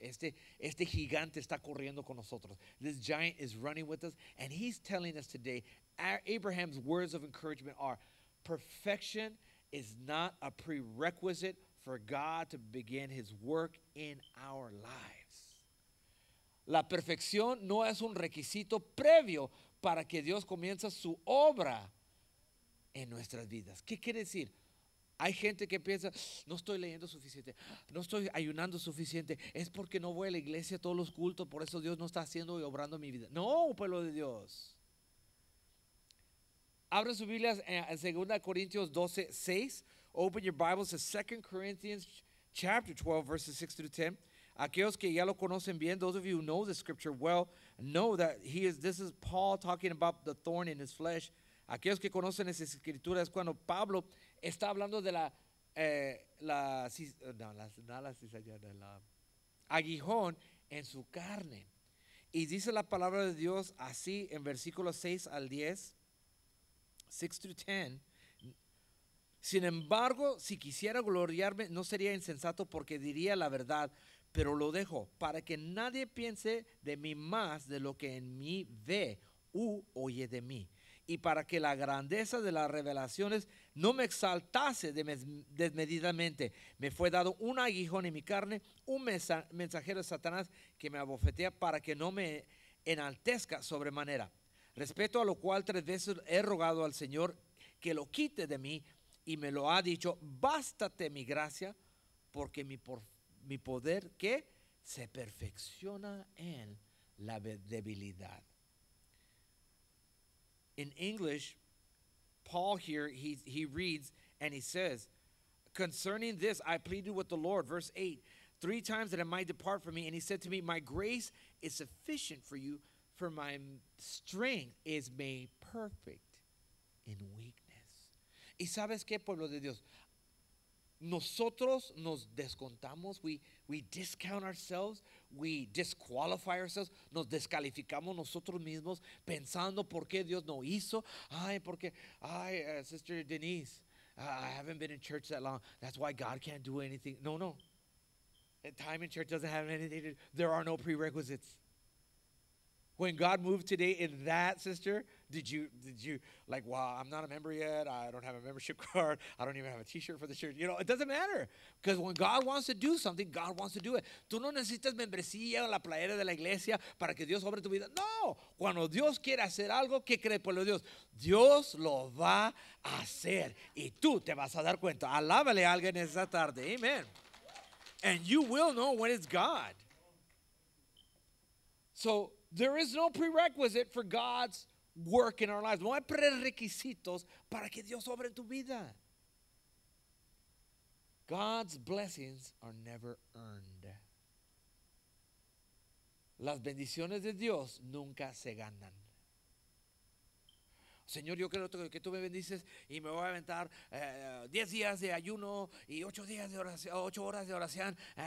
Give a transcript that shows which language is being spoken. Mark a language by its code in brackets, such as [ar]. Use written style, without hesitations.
[es] Este gigante está corriendo con nosotros. [en] This giant is running with us. And he's telling us today, Abraham's words of encouragement are, perfection is not a prerequisite for God to begin his work in our lives. [es] La perfección no es un requisito previo para que Dios comience su obra en nuestras vidas. ¿Qué quiere decir? Hay gente que piensa, no estoy leyendo suficiente, no estoy ayunando suficiente, es porque no voy a la iglesia a todos los cultos, por eso Dios no está haciendo y obrando mi vida. No, pueblo de Dios. Abre su Biblia en 2 Corintios 12, 6. [en] Open your Bibles to 2 Corinthians chapter 12, verses 6 through 10. [es] Aquellos que ya lo conocen bien, [en] those of you who know the scripture well, know that this is Paul talking about the thorn in his flesh. [es] Aquellos que conocen esa escritura es cuando Pablo está hablando de la aguijón en su carne. Y dice la palabra de Dios así en versículos 6 al 10, [en] 6 through 10. [es] Sin embargo, si quisiera gloriarme, no sería insensato porque diría la verdad, pero lo dejo para que nadie piense de mí más de lo que en mí ve u oye de mí. Y para que la grandeza de las revelaciones no me exaltase desmedidamente, me fue dado un aguijón en mi carne, un mensajero de Satanás que me abofetea para que no me enaltezca sobremanera. Respecto a lo cual tres veces he rogado al Señor que lo quite de mí y me lo ha dicho, bástate mi gracia porque mi poder que se perfecciona en la debilidad. [en] In English, Paul here, he reads and he says, concerning this, I pleaded with the Lord, verse 8, three times that it might depart from me. And he said to me, my grace is sufficient for you, for my strength is made perfect in weakness. [es] ¿Y sabes qué, pueblo de Dios? Nosotros nos descontamos, [en] we discount ourselves, we disqualify ourselves, [es] nos descalificamos nosotros mismos pensando por qué Dios no hizo. Ay, porque, ay, [en] Sister Denise, I haven't been in church that long. That's why God can't do anything. No, no. Time in church doesn't have anything to do. There are no prerequisites. When God moved today in that, sister, did you like, well, I'm not a member yet. I don't have a membership card. I don't even have a t-shirt for the church. You know, it doesn't matter. Because when God wants to do something, God wants to do it. [es] Tú no necesitas membresía o la playera de la iglesia para que Dios obre tu vida. No. Cuando Dios quiere hacer algo, ¿qué cree, pueblo de Dios? Dios lo va a hacer. Y tú te vas a dar cuenta. Alábale a alguien esa tarde. [en] Amen. And you will know when it's God. So, there is no prerequisite for God's work in our lives. [es] No hay prerequisitos para que Dios obre en tu vida. [en] God's blessings are never earned. [es] Las bendiciones de Dios nunca se ganan. Señor, yo creo que tú me bendices y me voy a aventar 10 días de ayuno y 8 días de oración, 8 horas de oración.